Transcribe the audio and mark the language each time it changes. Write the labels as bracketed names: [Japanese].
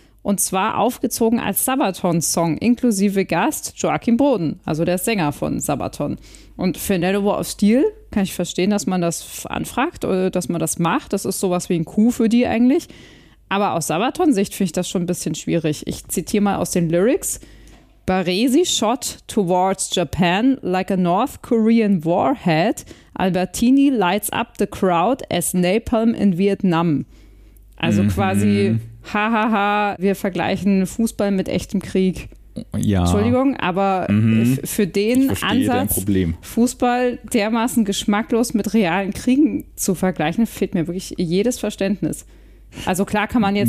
[German] Und zwar aufgezogen als Sabaton-Song inklusive Gast Joachim Broden, also der Sänger von Sabaton. Und für Nano War of Steel kann ich verstehen, dass man das anfragt oder dass man das macht. Das ist sowas wie ein Coup für die eigentlich. Aber aus Sabaton-Sicht finde ich das schon ein bisschen schwierig. Ich zitiere mal aus den Lyrics. [English] Baresi shot towards Japan like a North Korean warhead. Albertini lights up the crowd as napalm in Vietnam. [German] Also quasi, hahaha, ha, ha, wir vergleichen Fußball mit echtem Krieg. Ja. Entschuldigung, aber für den Ansatz, Fußball dermaßen geschmacklos mit realen Kriegen zu vergleichen, fehlt mir wirklich jedes Verständnis. Also klar kann man jetzt